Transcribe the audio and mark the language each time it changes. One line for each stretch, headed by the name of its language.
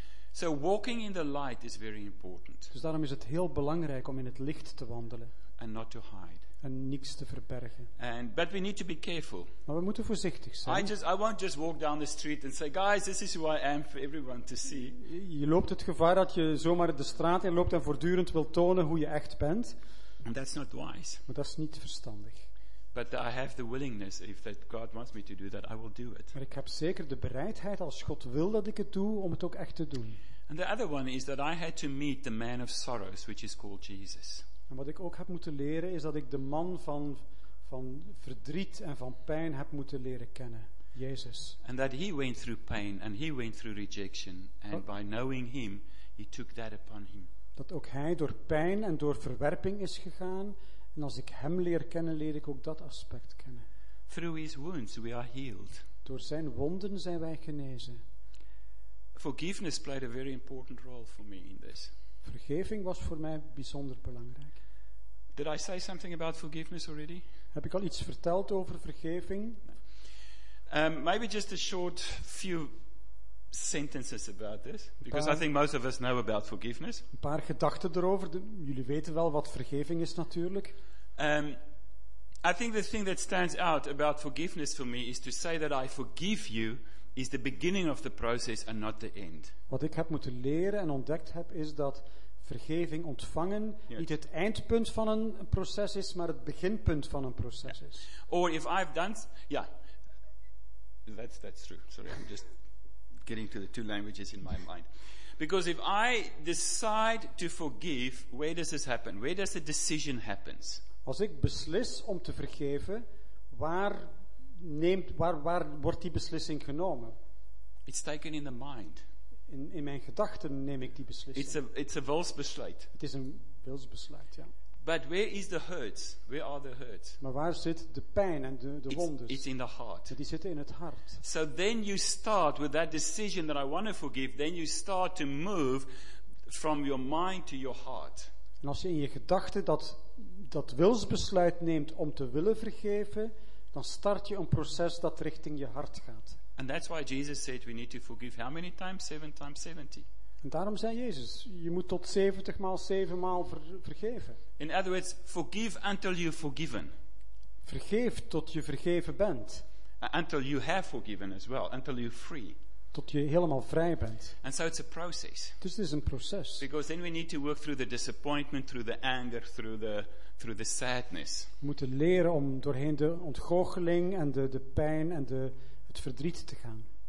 English: So walking in the light is very important.
Dutch: Dus daarom is het heel belangrijk om in het licht te wandelen.
English: And not to hide.
Dutch: En niks te verbergen.
English: But we need to be careful.
Dutch: Maar we moeten voorzichtig zijn.
English: I won't just walk down the street and say, guys, this is who I am for everyone to see.
Dutch: Je loopt het gevaar dat je zomaar de straat in loopt en voortdurend wil tonen hoe je echt bent.
English: And that's not wise.
Dutch: Maar dat is niet verstandig.
English: But I have the willingness, if that God wants me to do that, I will do it.
Dutch: Maar ik heb zeker de bereidheid, als God wil dat ik het doe, om het ook echt te doen.
English: And the other one is that I had to meet the man of sorrows, which is called Jesus.
Dutch: En wat ik ook heb moeten leren is dat ik de man van verdriet en van pijn heb moeten leren kennen, Jezus.
English: And that he went through pain and he went through rejection and by knowing him he took that upon him.
Dutch: Dat ook hij door pijn en door verwerping is gegaan en als ik hem leer kennen, leer ik ook dat aspect kennen.
English: Through his wounds we are healed.
Dutch: Door zijn wonden zijn wij genezen.
English: Forgiveness played a very important role for me in this.
Dutch: Vergeving was voor mij bijzonder belangrijk.
English: Did I say something about forgiveness already?
Dutch: Heb ik al iets verteld over vergeving?
English: Maybe just a short few sentences about this, because I think most of us know about forgiveness.
Dutch: Een paar gedachten erover. Jullie weten wel wat vergeving is natuurlijk.
English: I think the thing that stands out about forgiveness for me is to say that I forgive you. Is the beginning of the process and not the end.
Dutch: Wat ik heb moeten leren en ontdekt heb is dat vergeving ontvangen niet het eindpunt van een proces is, maar het beginpunt van een proces is.
English: Or if I've done, that's true. Sorry, I'm just getting to the two languages in my mind. Because if I decide to forgive, where does this happen? Where does the decision happens?
Dutch: Als ik beslis om te vergeven, waar neemt, waar wordt die beslissing genomen?
English: It's taken in the mind.
Dutch: In mijn gedachten neem ik die beslissing.
English: It's a wilsbesluit.
Dutch: Het is een wilsbesluit, ja.
English: But where is the hurts? Where are the hurts?
Dutch: Maar waar zit de pijn en de wonden?
English: It's in the heart.
Dutch: Die zitten in het hart.
English: So then you start with that decision that I want to forgive. Then you start to move from your mind to your heart.
Dutch: En als je in je gedachten dat wilsbesluit neemt om te willen vergeven, dan start je een proces dat richting je hart gaat.
English: And that's why Jesus said we need to forgive how many times? 7 times 70.
Dutch: En daarom zei Jezus, je moet tot 70 maal 7 maal vergeven.
English: In other words, forgive until you've forgiven.
Dutch: Vergeef tot je vergeven bent.
English: Until you have forgiven as well, until you're free.
Dutch: Tot je helemaal vrij bent.
English: And so it's a process.
Dutch: Dus het is een proces.
English: Because then we need to work through the disappointment, through the anger, through the sadness.
Dutch: We moeten leren om doorheen de ontgoocheling en de pijn en het verdriet te gaan.